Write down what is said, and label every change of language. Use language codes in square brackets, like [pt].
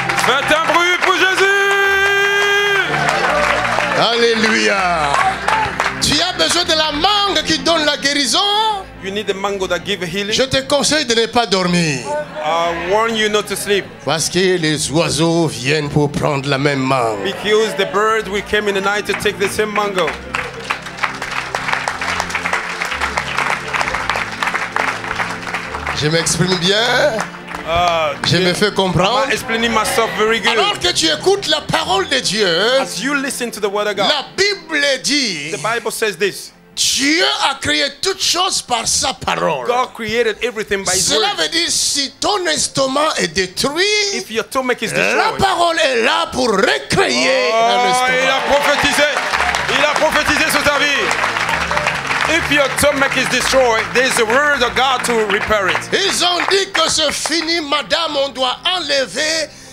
[fr] Faites un bruit pour Jésus! Alléluia! Tu as besoin de la mangue qui donne la guérison? [en] You need the mango that gives healing. [fr] Je te conseille de ne pas dormir. [en] I warn you not to sleep. [fr] Parce que les oiseaux viennent pour prendre la même mangue. [en] Because the birds we came in the night to take the same mango. [fr] Je m'exprime bien? Je me fais comprendre. [en] I'm explaining myself very good. [fr] Alors que tu écoutes la parole de Dieu, [en] as you listen to the word of God, [fr] la Bible dit, [en] the Bible says this, [fr] Dieu a créé toutes choses par sa parole. [en] God created everything by his [fr] cela [en] word. [fr] Veut dire si ton estomac est détruit, [en] if your stomach is destroyed, [fr] la parole est là pour recréer un estomac. Il a prophétisé sur ta vie. [en] If your stomach is destroyed, there is a word of God to repair it. [fr] Ils ont dit que c'est fini, madame, on doit enlever